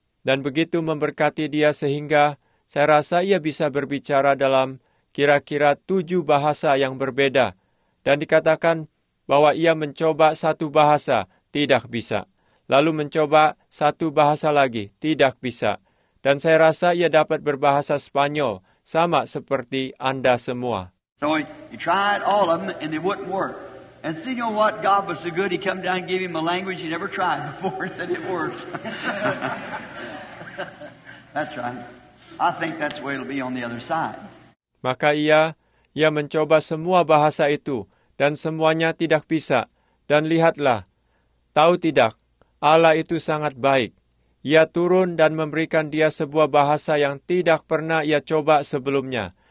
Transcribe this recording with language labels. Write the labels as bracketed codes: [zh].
[id] Dan begitu memberkati dia sehingga saya rasa ia bisa berbicara dalam kira-kira 7 bahasa yang berbeda, dan dikatakan bahwa ia mencoba 1 bahasa, tidak bisa. Lalu mencoba 1 bahasa lagi, tidak bisa. Dan saya rasa ia dapat berbahasa Spanyol, sama seperti Anda semua. [en] So he tried all of them and they wouldn't work. And see, you know what? God was so good, he came down and gave him a language he never tried before and said it works. That's right. I think that's where it'll be on the other side. [id] Maka ia mencoba semua bahasa itu, dan semuanya tidak bisa. Dan lihatlah, tahu tidak, Allah itu sangat baik. Ia turun dan memberikan dia sebuah bahasa yang tidak pernah ia coba sebelumnya.